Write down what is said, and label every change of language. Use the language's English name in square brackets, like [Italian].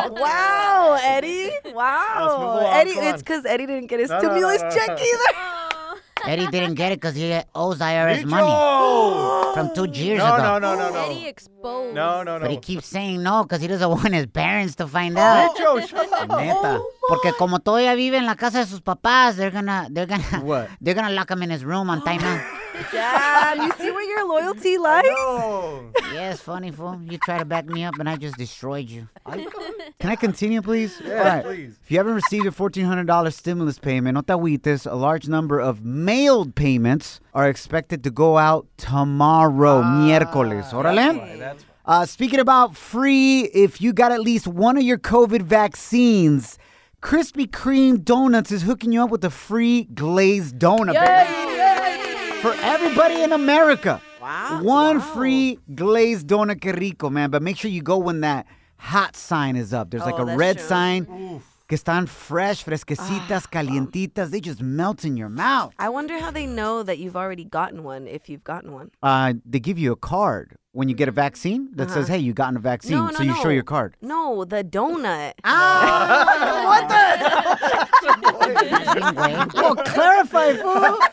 [English] Wow, Eddie. Wow. Eddie, it's because Eddie didn't get his stimulus check either. Eddie didn't get it because he owes IRS Micho! Money from 2 years ago. No. Eddie exposed. No. But he keeps saying no because he doesn't want his parents to find out. Micho, shut up. [Spanish] Neta. Porque como todavía vive en la casa de sus papás, they're gonna [English] what? They're gonna lock him in his room on timeout. Damn, you see where your loyalty lies? No. Yes, funny fool. You try to back me up and I just destroyed you. I don't Can I continue, please? Yeah, all right. Please. If you haven't received your $1,400 stimulus payment, no te agüites, a large number of mailed payments are expected to go out tomorrow, miércoles. Órale. Speaking about free, if you got at least one of your COVID vaccines, Krispy Kreme Donuts is hooking you up with a free glazed donut. Yay! For everybody in America. Wow. Free glazed donut. Que rico, man. But make sure you go when that hot sign is up. There's a red sign. Oof. [Spanish] Que están fresh, fresquecitas, calientitas. [English] They just melt in your mouth. I wonder how they know that you've already gotten one, if you've gotten one. They give you a card when you get a vaccine that says, hey, you've gotten a vaccine. No, so you show your card. No, the donut. Ah! What the? Well, clarify, fool.